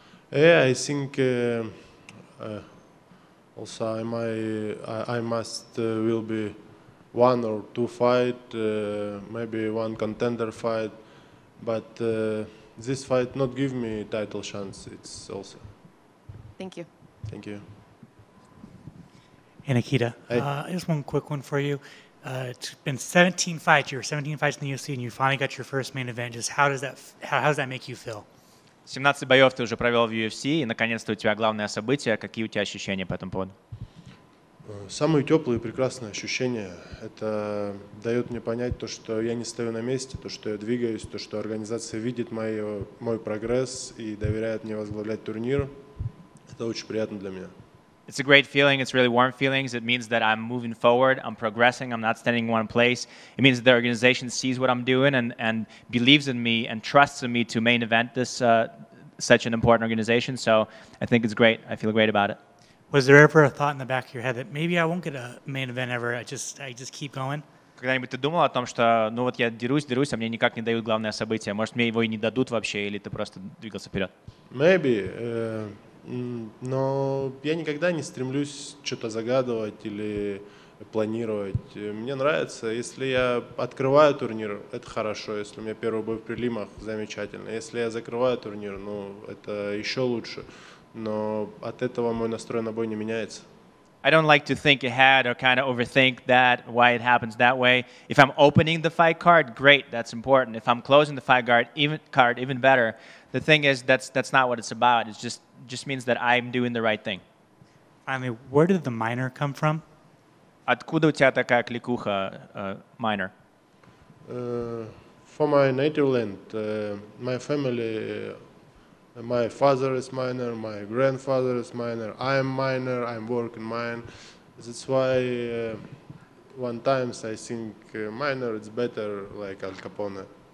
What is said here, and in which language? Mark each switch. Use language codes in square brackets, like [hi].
[en] Yeah, I think also I must will be one or two fight, maybe one contender fight, but this fight not give me title chance. It's also. Thank you. Thank you. Hey Nikita, just one quick one for you. It's been 17 fights. You were 17 fights in the UFC, and you finally got your first main event. Just how does that make you feel? [ru] 17 боев ты уже провел в UFC, и наконец-то у тебя главное событие. Какие у тебя ощущения по этому поводу? Самые теплые и прекрасные ощущения. Это дает мне понять то, что я не стою на месте, то, что я двигаюсь, то, что организация видит мой прогресс и доверяет мне возглавлять турнир. Это очень приятно для меня. [en] It's a great feeling. It's really warm feelings. It means that I'm moving forward. I'm progressing. I'm not standing in one place. It means that the organization sees what I'm doing and believes in me and trusts in me to main event this such an important organization. So I think it's great. I feel great about it. Was there ever a thought in the back of your head that maybe I won't get a main event ever? I just keep going. [ru] Когда-нибудь ты думал о том, что, ну вот я дерусь, а мне никак не дают главное событие? Может, мне его и не дадут вообще, или ты просто двигался вперед? [en] Maybe. [ru] Но я никогда не стремлюсь что-то загадывать или планировать. Мне нравится, если я открываю турнир, это хорошо. Если у меня первый бой в прилимах, замечательно. Если я закрываю турнир, ну, это еще лучше. Но от этого мой настрой на бой не меняется. [en] I don't like to think ahead or kind of overthink that, why it happens that way. If I'm opening the fight card, great, that's important. If I'm closing the fight card, even better. The thing is, that's not what it's about. It just means that I'm doing the right thing. Finally, where did the minor come from? [ru] Откуда у тебя такая кликуха, minor? [en] For my native land, my family, my father is minor, my grandfather is minor, I'm minor, I'm working mine. That's why one time I think minor it's better, like Al Capone.